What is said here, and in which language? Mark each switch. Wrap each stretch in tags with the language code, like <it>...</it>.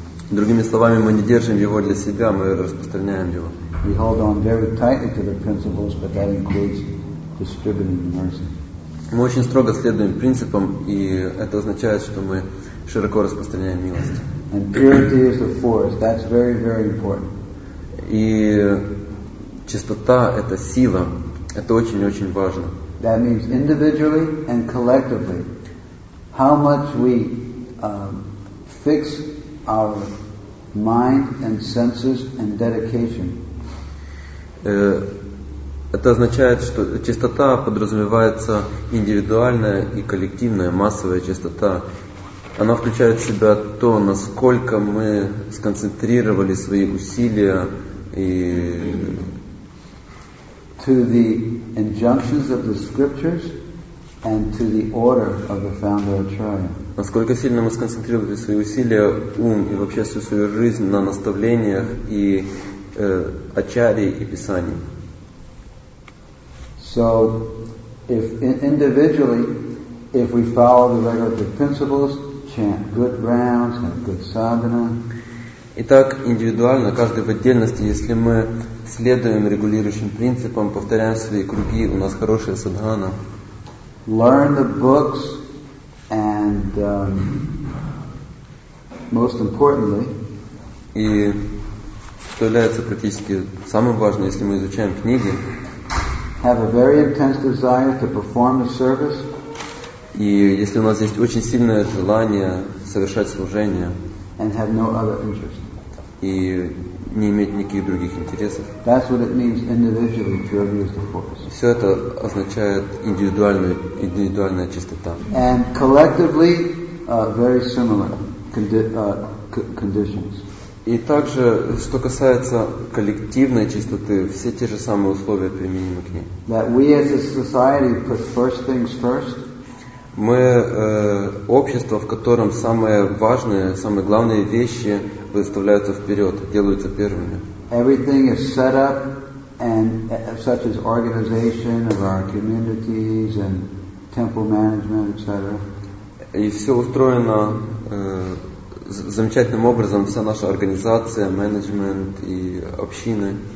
<ru>Другими словами, мы не держим его для себя, мы распространяем его.</ru> <en>We hold on very tightly to the principles, but that includes distributing the mercy.</en> <ru>Мы очень строго следуем принципам, и это означает, что мы широко распространяем милость.</ru> <en>And purity is the force. That's very, very important.</en> <ru>И чистота — это сила. Это очень-очень важно.</ru> <en>That means individually and collectively. How much we fix our mind and senses and dedication.</en> <ru>Это означает, что чистота подразумевается индивидуальная и коллективная, массовая чистота. Она включает в себя то, насколько мы сконцентрировали свои усилия и...</ru> <en>to the injunctions of the scriptures and to the order of the founder Acharya.</en> <ru>Насколько сильно мы сконцентрировали свои усилия, ум и вообще всю свою жизнь на наставлениях и Ачарьи и Писании.</ru> <en>So if individually, if we follow the regulative principles, chant good rounds, have good sadhana.</en> <ru>Итак, индивидуально, каждый в отдельности, если мы следуем регулирующим принципам, повторяем свои круги, у нас хорошая садхана.</ru> <en>Learn the books and most importantly,</en> <ru>и что является практически самым важным, если мы изучаем книги,</ru> <en>have a very intense desire to perform the service.</en> <ru>И если у нас есть очень сильное желание совершать служение,</ru> <en>and have no other interest.</en> <ru>И не иметь никаких других интересов.</ru> <en>That's what it means individually to reduce the focus.</en> <ru>Все это означает индивидуальная чистота.</ru> <en>And collectively, very similar conditions.</en> <ru>И также, что касается коллективной чистоты, все те же самые условия применимы к ней.</ru> <en>That we as a society put first things first.</en> <ru>Мы общество, в котором самые важные, самые главные вещи выставляются вперед, делаются первыми.</ru> <en>Everything is set up, and such as organization of our communities and temple management, etc.</en> <ru>И все устроено замечательным образом, вся наша организация, менеджмент и общины.</ru>